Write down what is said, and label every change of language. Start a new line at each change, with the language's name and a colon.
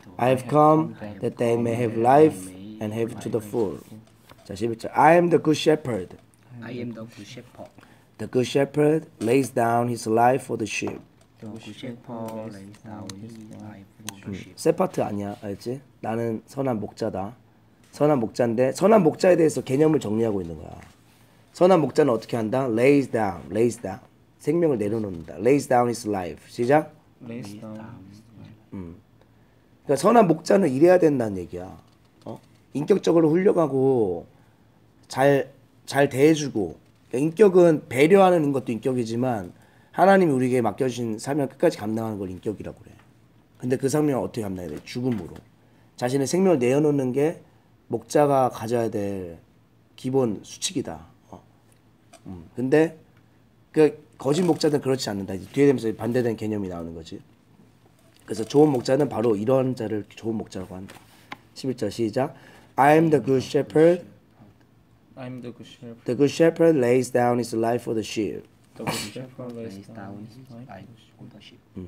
English: I've come that they may have life and have to the full.
Korean: 자, 11절.
English: I am the good shepherd. I am the good shepherd. The good shepherd lays down his life for the sheep. The good shepherd lays down his life for the
Korean: sheep. 세파트 아니야, 알지? 나는 선한 목자다. 선한 목자인데 선한 목자에 대해서 개념을 정리하고 있는 거야. 선한 목자는 어떻게 한다?
English: Lays down, lays down.
Korean: 생명을 내려놓는다.
English: Lays down his life. 시작. Lays down.
Korean: 그러니까 선한 목자는 이래야 된다는 얘기야. 어? 인격적으로 훌륭하고 잘 대해주고, 인격은 배려하는 것도 인격이지만 하나님이 우리에게 맡겨주신 사명 끝까지 감당하는 걸 인격이라고 그래. 근데 그 사명을 어떻게 감당해야 돼? 죽음으로. 자신의 생명을 내어놓는 게 목자가 가져야 될 기본 수칙이다. 근데 그 거짓 목자들은 그렇지 않는다. 이제 뒤에 되면서 반대된 개념이 나오는 거지. 그래서 좋은 목자는 바로 이런 자를 좋은 목자라고 한다. 11절 시작.
English: I am the good shepherd. I'm the good shepherd. The good shepherd lays down his life for the sheep. The good shepherd lays down his life for the sheep.